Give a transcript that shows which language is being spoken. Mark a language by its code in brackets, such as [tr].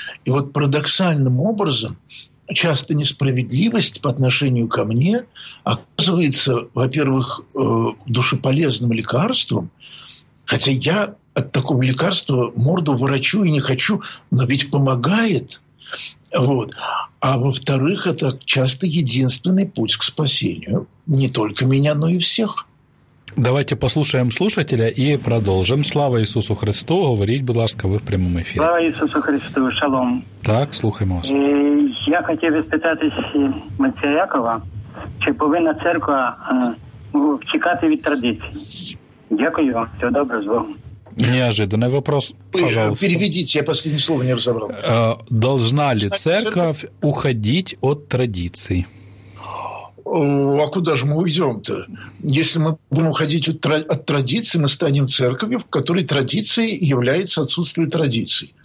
[ru] И вот парадоксальным образом часто несправедливость по отношению ко мне оказывается, во-первых, душеполезным лекарством, хотя я от такого лекарства морду ворочу и не хочу, но ведь помогает. Вот. А во-вторых, это часто единственный путь к спасению не только меня, но и всех. Давайте послушаем слушателя и продолжим. Слава Иисусу Христу. Говорить, будь ласка, вы в прямом эфире. Слава Иисусу Христу. Шалом. [uk] Так, слухаємо вас. Я хотів спитатись митця Якова, чи повинна церква чекати від традицій? Дякую вам. Всього доброго. З Богом. [ru] Неожиданный вопрос. Пожалуйста. Переведите, я последнее слово не разобрал. Должна ли церковь уходить от традиций? А куда же мы уйдем-то? Если мы будем уходить от традиций, мы станем церковью, в которой традицией является отсутствие традиций.